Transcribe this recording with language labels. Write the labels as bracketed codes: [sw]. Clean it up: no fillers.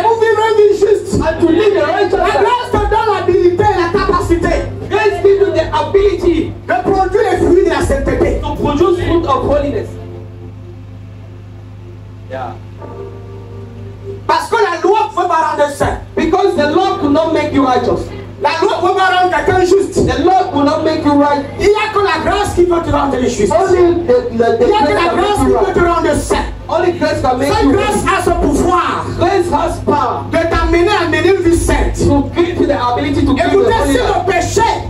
[fr] Pour vivre une vie juste. [en] And to live a righteous life. [fr] La grâce te donne l'habilité et la capacité. [en] Grace gives you the ability. [fr] De produire les fruits de la sainteté. [en] To produce fruit of holiness. Yeah. [fr] Parce que la loi ne peut pas rendre saint. [en] Because the law could not make you righteous. [fr] La loi peut pas rendre quelqu'un juste. [en] The law will not make you right. [fr] Il n'y a que la grâce qui peut te rendre juste. [en] Only the [fr] il n'y a que la grâce qui peut te rendre saint. [en] Only grace can make [fr] cette grâce [en] you [fr] a ce pouvoir. [en] Grace has power [fr] de t'amener à mener une vie sainte. [en] To give you the ability to give you the holiness. [fr] Écoutez, si le péché,